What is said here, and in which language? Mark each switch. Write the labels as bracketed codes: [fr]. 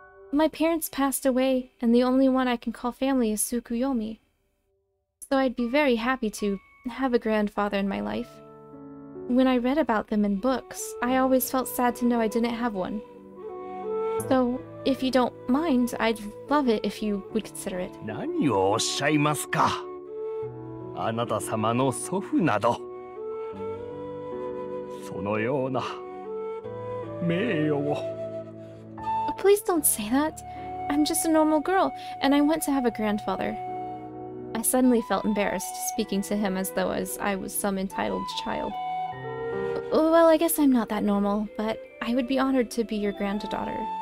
[en] My parents passed away, and the only one I can call family is Tsukuyomi. So I'd be very happy to have a grandfather in my life. When I read about them in books, I always felt sad to know I didn't have one. So, If you don't mind, I'd love it if you would consider it. [ja] 何をおっしゃいますか?あなた様の祖父など、そのような名誉を。 [en] Please don't say that. I'm just a normal girl, and I want to have a grandfather. I suddenly felt embarrassed, speaking to him as though as I was some entitled child. Well, I guess I'm not that normal, but I would be honored to be your granddaughter.